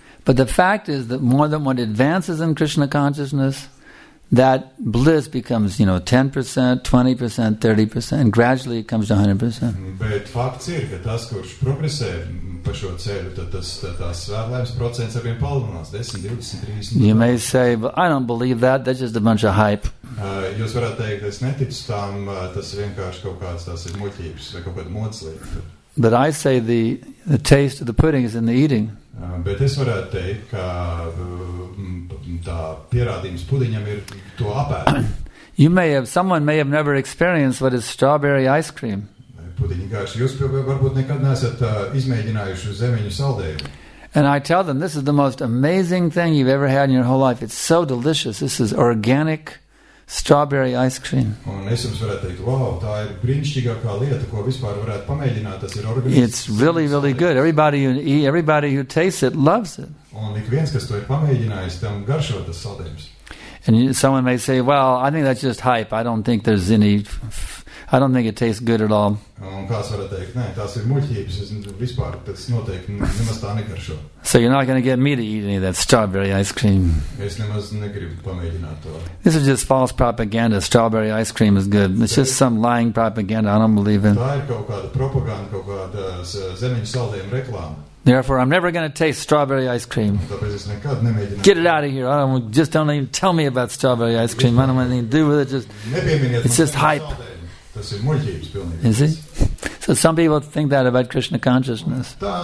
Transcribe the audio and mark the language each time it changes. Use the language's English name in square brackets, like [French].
[English] But the fact is that more than one advances in Krishna consciousness, that bliss becomes, you know, 10%, 20%, 30%, gradually it comes to 100%. [Latvian] Bet fakts ir, ka tas, kurš progresē pa šo ceļu, tad tas svētlaimes procents arvien palielinās, 10, 20, 30. [English] You may say, but I don't believe that, that's just a bunch of hype. [Latvian] Jūs varētu teikt, es neticu tam, tas vienkārši kaut kāds tās ir muļķības vai kaut kāda moclība. [English] But I say the taste of the pudding is in the eating. [Latvian] Bet es varētu teikt, ka tā pierādījums pudiņam ir to apēt. [English] You may have, someone may have never experienced what is strawberry ice cream. [Latvian] Pudiņi garši, jūs varbūt nekad neesat izmēģinājuši zemeņu saldējumu. [English] And I tell them, this is the most amazing thing you've ever had in your whole life. It's so delicious. This is organic strawberry ice cream. [Latvian] Un es jums varētu teikt, wow, tā ir brīnišķīgākā lieta, ko vispār varētu pamēģināt, tas ir organisms. [English] It's really, really good. Everybody who tastes it, loves it. [Latvian] Un ik viens, kas to ir pamēģinājis, tam garšo tas saldējums. [English] And someone may say, well, I think that's just hype. I don't think there's any, I don't think it tastes good at all. [Latvian] Un kāds varētu teikt, nē, tās ir muļķības, vispār tas noteikti nemaz tā negaršo. [English] So you're not going to get me to eat any of that strawberry ice cream. [Latvian] Es nemaz negribu pamēģināt to. [English] This is just false propaganda. Strawberry ice cream is good. It's just some lying propaganda. I don't believe in. [Latvian] Tā ir kaut kāda propaganda, kaut kāda zemiņu saldējuma reklāma. [English] Therefore, I'm never going to taste strawberry ice cream. Get it out of here. Just don't even tell me about strawberry ice cream. I don't want anything to do with it. It's just hype. Is it? So some people think that about Krishna consciousness.